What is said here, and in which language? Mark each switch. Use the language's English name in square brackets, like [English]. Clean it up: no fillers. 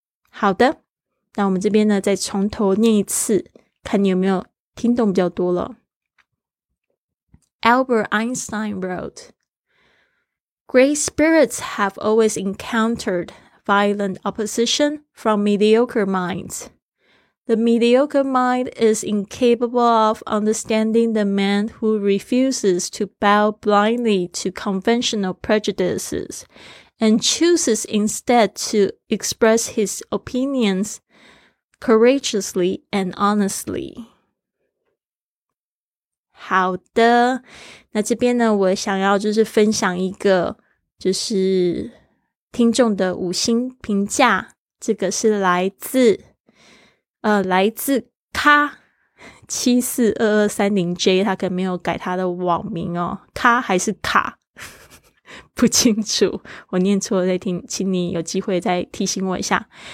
[Chinese] 好的，那我们这边呢再从头念一次，看你有没有听懂比较多了。 [English] Albert Einstein wrote, Great spirits have always encountered violent opposition from mediocre minds. The mediocre mind is incapable of understanding the man who refuses to bow blindly to conventional prejudices,and chooses instead to express his opinions courageously and honestly. [Chinese] 好的，那这边呢我想要就是分享一个就是听众的五星评价，这个是来自咖742230J， 他可能没有改他的网名哦，咖还是卡不清楚，我念错了再听，请你有机会再提醒我一下。